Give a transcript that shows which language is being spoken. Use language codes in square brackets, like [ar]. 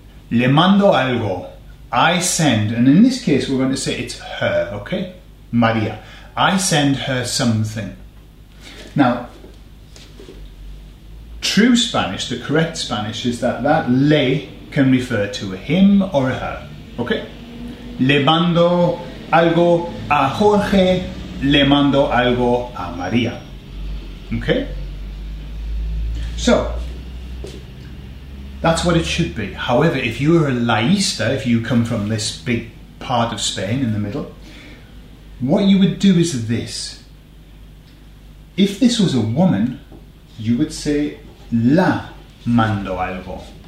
[es] Le mando algo, [en] I send, and in this case we're going to say it's her, okay? Maria, I send her something. Now, true Spanish, the correct Spanish, is that that le can refer to a him or a her. Okay? [es] Le mando algo a Jorge, le mando algo a María. [en] Okay? So, that's what it should be. However, if you are a laísta, if you come from this big part of Spain in the middle, what you would do is this. If this was a woman, you would say, [es] la mando algo.